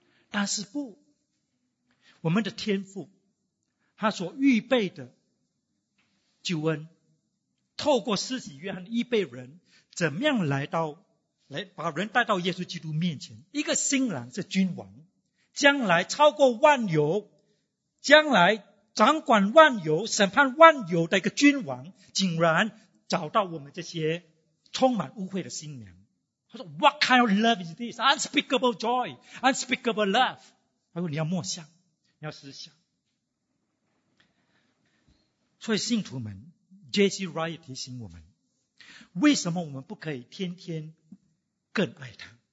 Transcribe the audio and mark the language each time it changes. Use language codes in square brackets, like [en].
[zh] 但是不，我们的天父他所预备的救恩透过施洗约翰的预备人怎么样来到，来把人带到耶稣基督面前。一个新郎是君王，将来超过万有，将来掌管万有审判万有的一个君王，竟然找到我们这些充满污秽的新娘。他说 [en] What kind of love is this? Unspeakable joy, unspeakable love. [zh] 他说你要默想，你要思想。所以信徒们， J.C. Ryan 提醒我们，为什么我们不可以天天更爱他？